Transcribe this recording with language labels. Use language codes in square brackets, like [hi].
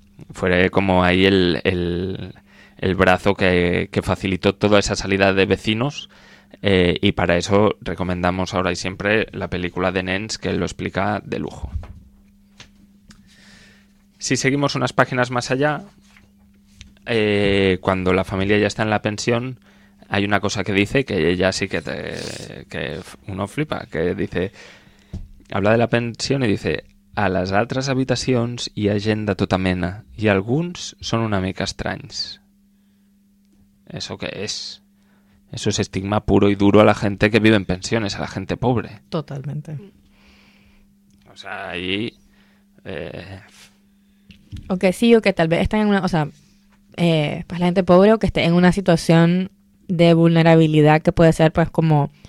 [es] Fue como ahí el brazo que facilitó toda esa salida de vecinos y para eso recomendamos ahora y siempre la película de Nens, que lo explica de lujo. Si seguimos unas páginas más allá, cuando la familia ya está en la pensión, hay una cosa que dice que ella sí que uno flipa, que dice, habla de la pensión y dice... [ca] A les altres habitacions hi ha gent de tota mena i alguns són una mica estranys. [es] ¿Eso qué es? Eso es estigma puro y duro a la gente que vive en pensiones, a la gente pobre. Totalmente. O sea, allí... O que sí, o que tal vez estén en una... O sea, pues la gente pobre o que esté en una situación de vulnerabilidad que puede ser pues como...